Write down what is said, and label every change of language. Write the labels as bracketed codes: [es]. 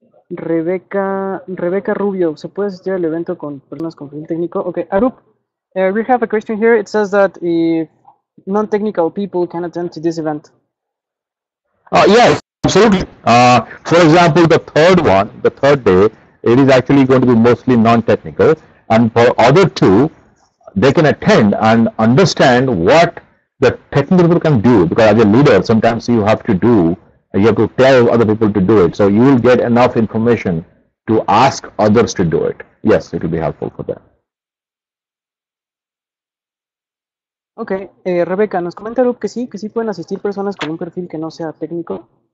[es] Rebecca Rubio, ¿se puede asistir al evento con personas con perfil técnico? [en] Okay, Arup, we have a question here. It says that if non-technical people can attend to this event. Yes, absolutely. For example, the third day, it is actually going to be mostly non-technical, and for other two, they can attend and understand what the technical people can do, because as a leader, sometimes you have to do. You have to tell other people to do it, so you will get enough information to ask others to do it. Yes, it will be helpful for them. [es] Okay, Rebecca, nos comenta Luke que sí pueden asistir personas con un perfil que no sea técnico.